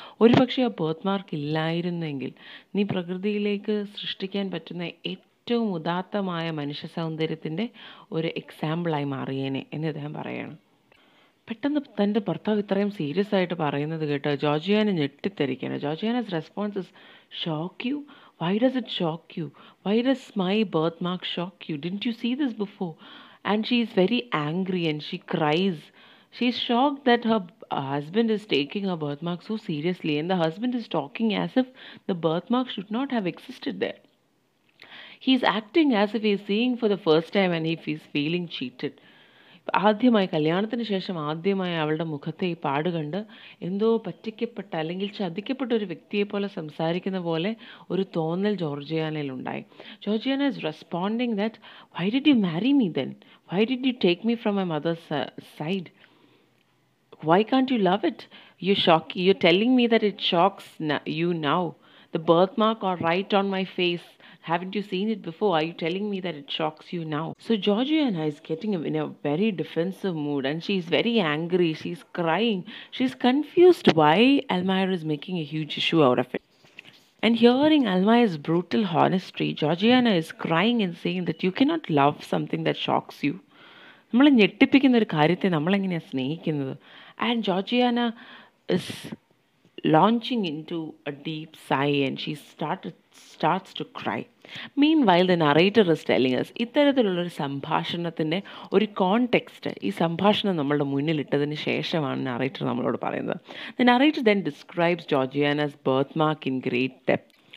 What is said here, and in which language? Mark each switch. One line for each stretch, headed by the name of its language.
Malayalam: ഒരു പക്ഷേ ആ ബർത്ത് മാർക്ക് ഇല്ലായിരുന്നെങ്കിൽ നീ പ്രകൃതിയിലേക്ക് സൃഷ്ടിക്കാൻ പറ്റുന്ന ഏറ്റവും ഉദാത്തമായ മനുഷ്യ സൗന്ദര്യത്തിൻ്റെ ഒരു എക്സാമ്പിളായി മാറിയേനെ എന്ന് അദ്ദേഹം പറയുകയാണ്. പെട്ടെന്ന് തൻ്റെ ഭർത്താവ് ഇത്രയും സീരിയസ് ആയിട്ട് പറയുന്നത് കേട്ട് ജോർജിയാന ഞെട്ടിത്തെറിക്കാണ്.
English: Georgiana's response is shock you, why does it shock you, why does my birth mark shock you, didn't you see this before and she is very angry and she cries. She is shocked that her husband is taking her birthmark so seriously, and the husband is talking as if the birthmark should not have existed there. He is acting as if he is seeing for the first time and if he is feeling cheated.
Malayalam: ആദ്യമായി കല്യാണത്തിന് ശേഷം ആദ്യമായി അവളുടെ മുഖത്തെ ഈ പാട് കണ്ട് എന്തോ പറ്റിക്കപ്പെട്ട അല്ലെങ്കിൽ ചതിക്കപ്പെട്ട ഒരു വ്യക്തിയെപ്പോലെ സംസാരിക്കുന്ന പോലെ ഒരു തോന്നൽ ജോർജിയാനയിലുണ്ടായി.
English: Georgiana is responding that why did you marry me then, why did you take me from my mother's side, why can't you love it, you shock you telling me that it shocks you now, the birth mark are right on my face. Haven't you seen it before? Are you telling me that it shocks you now? So Georgiana is getting in a very defensive mood and she's very angry. She's crying. She's confused why Almira is making a huge issue out of it. And hearing Almira's brutal honesty, Georgiana is crying and saying that you cannot love something that shocks you.
Malayalam: നമ്മളെ ഞെട്ടിപ്പിക്കുന്ന ഒരു കാര്യത്തെ നമ്മളെങ്ങനെയാണ് സ്നേഹിക്കുന്നത്?
English: And Georgiana is launching into a deep sigh and she starts to cry. Meanwhile, the narrator is telling us,
Malayalam: ഇത്തരത്തിലുള്ള ഒരു സംഭാഷണത്തിൻ്റെ ഒരു context ഈ സംഭാഷണം നമ്മളുടെ മുന്നിലിട്ടതിന് ശേഷമാണ് നറേറ്റർ നമ്മളോട് പറയുന്നത്.
English: The narrator then describes Georgiana's birth mark in great depth.